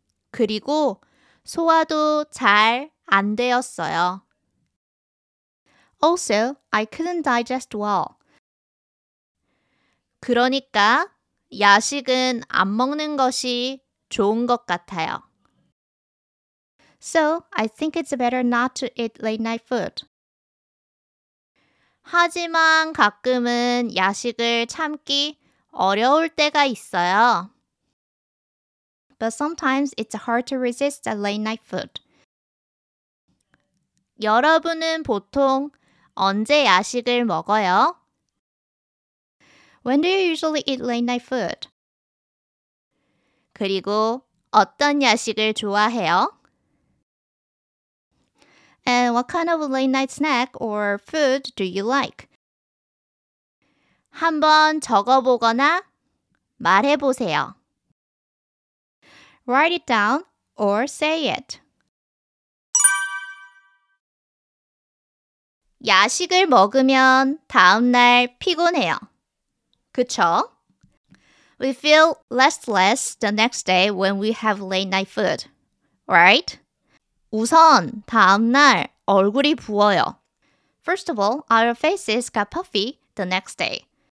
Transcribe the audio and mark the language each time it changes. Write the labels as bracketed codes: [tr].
[ko] 그리고 소화도 잘 안 되었어요. [en] Also, I couldn't digest well. [ko] 그러니까 야식은 안 먹는 것이 좋은 것 같아요. [en] So, I think it's better not to eat late night food. [ko] 하지만 가끔은 야식을 참기 어려울 때가 있어요. [en] But sometimes it's hard to resist a late night food. [ko] 여러분은 보통 언제 야식을 먹어요? [en] When do you usually eat late night food? [ko] 그리고 어떤 야식을 좋아해요? [en] And what kind of late night snack or food do you like? [ko] 한번 적어보거나 말해보세요. [en] Write it down or say it. [ko] 야식을 먹으면 다음날 피곤해요. 그쵸? [en] We feel restless the next day when we have late night food, right? [ko] 우선 다음 날 얼굴이 부어요. [en] First of all, our faces got puffy the next day.